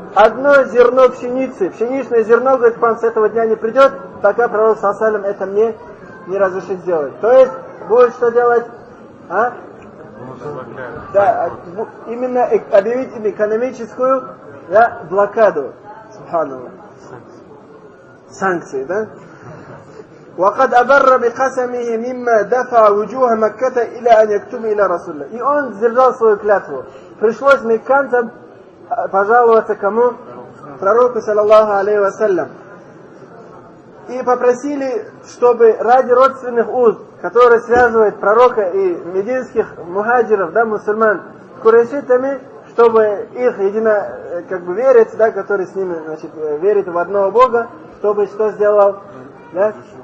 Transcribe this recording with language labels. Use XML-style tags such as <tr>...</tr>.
<ru>Одно зерно пшеницы, пшеничное зерно, говорит, к вам с этого дня не придет, пока пророк саллям это мне не разрешит сделать. То есть, будет что делать? А? Да, именно объявить им экономическую, да, блокаду. Субханаллах. Санкции, да?</ru> <ar>وقد أبر بقسمه مما دفع وجوه مكة إلى أن يكتب إلى رسول الله.</ar> <ru>И он сдержал свою клятву. Пришлось мекканцам пожаловаться кому? Пророку саллаллаху алейхи ва саллям. И попросили, чтобы ради родственных уз, которые связывают пророка и мединских мухаджиров, да, мусульман, с курайшитами, чтобы их едино, как бы верить, да, который с ними, значит, верит в одного Бога, чтобы что сделал? Да?</ru>